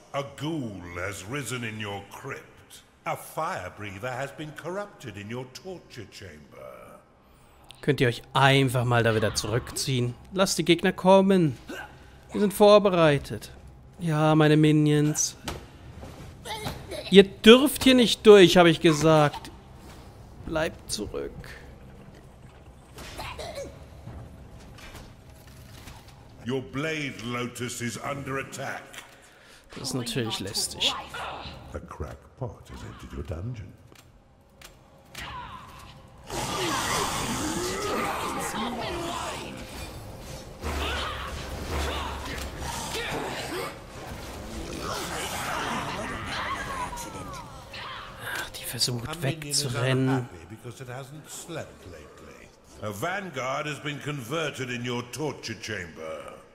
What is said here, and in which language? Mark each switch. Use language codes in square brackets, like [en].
[en] A ghoul has risen in your crypt. A firebreather has been corrupted in your torture chamber. [de] Könnt ihr euch einfach mal da wieder zurückziehen? Lasst die Gegner kommen. Wir sind vorbereitet. Ja, meine Minions. Ihr dürft hier nicht durch, habe ich gesagt. Bleibt zurück. [en] Your blade lotus is under attack. [de] Das ist natürlich lästig. [en] A crackpot has entered your dungeon. [de] Die versucht wegzurennen. [en] Because it hasn't slept lately. A vanguard has been converted in your torture chamber.